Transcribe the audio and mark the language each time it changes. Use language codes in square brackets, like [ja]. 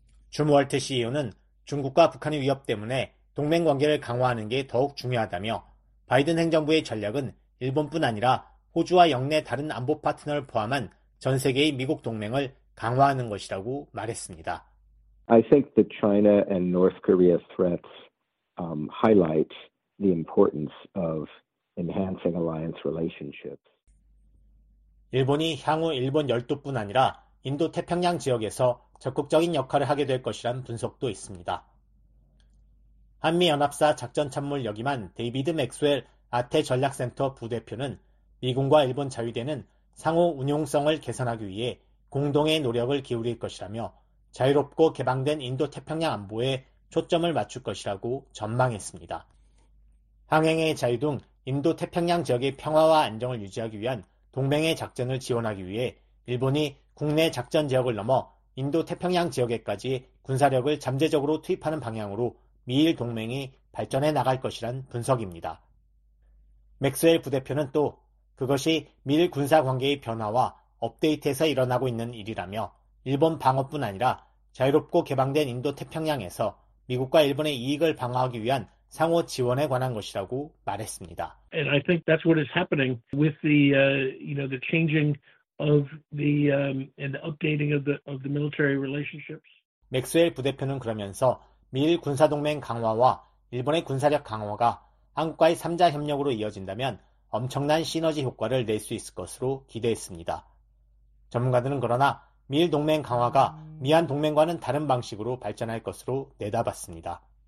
[ko] 줌 월트 CEO는 중국과 북한의 위협 때문에 동맹관계를 강화하는 게 더욱 중요하다며 바이든 행정부의 전략은 일본뿐 아니라 호주와 영내 다른 안보 파트너를 포함한 전 세계의 미국 동맹을 강화하는 것이라고 말했습니다. [en] I think the China and North Korea threats highlight the importance of enhancing alliance relationships. [ko] 일본이 향후 일본 열도뿐 아니라 인도-태평양 지역에서 적극적인 역할을 하게 될 것이란 분석도 있습니다. 한미연합사 작전참모를 역임한 데이비드 맥스웰 아태전략센터 부대표는 미군과 일본 자위대는 상호 운용성을 개선하기 위해 공동의 노력을 기울일 것이라며 자유롭고 개방된 인도태평양 안보에 초점을 맞출 것이라고 전망했습니다. 항행의 자유 등 인도태평양 지역의 평화와 안정을 유지하기 위한 동맹의 작전을 지원하기 위해 일본이 국내 작전 지역을 넘어 인도태평양 지역에까지 군사력을 잠재적으로 투입하는 방향으로 미일 동맹이 발전해 나갈 것이란 분석입니다. 맥스웰 부대표는 또 그것이 미일 군사관계의 변화와 업데이트에서 일어나고 있는 일이라며 일본 방어뿐 아니라 자유롭고 개방된 인도태평양에서 미국과 일본의 이익을 방어하기 위한 상호 지원에 관한 것이라고 말했습니다. [en] And I think that's what is happening with the the changing of the and the updating of the military relationships. [ko] 맥스웰 부대표는 그러면서 미일 군사 동맹 강화와 일본의 군사력 강화가 한국과의 3자 협력으로 이어진다면 엄청난 시너지 효과를 낼 수 있을 것으로 기대했습니다. 전문가들은 그러나 미일 동맹 강화가 미한 동맹과는 다른 방식으로 발전할 것으로 내다봤습니다.